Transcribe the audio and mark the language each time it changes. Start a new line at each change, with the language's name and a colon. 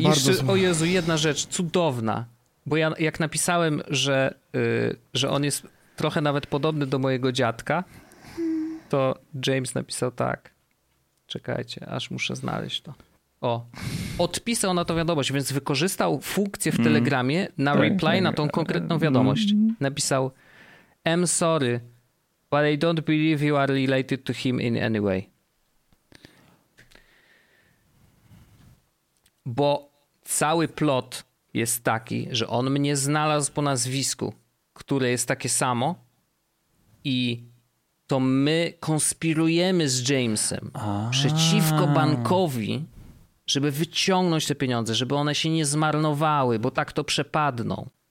Polish: jeszcze, o Jezu, jedna rzecz cudowna. bo ja jak napisałem, że on jest trochę nawet podobny do mojego dziadka, to James napisał tak. Czekajcie, aż muszę znaleźć to. O, odpisał na tą wiadomość, więc wykorzystał funkcję w Telegramie na reply na tą konkretną wiadomość. Napisał,
English: I'm sorry, but I don't believe you are related to him in any way.
Polish: Bo cały plot jest taki, że on mnie znalazł po nazwisku, które jest takie samo i to my konspirujemy z Jamesem przeciwko bankowi, żeby wyciągnąć te pieniądze, żeby one się nie zmarnowały, bo tak to przepadną.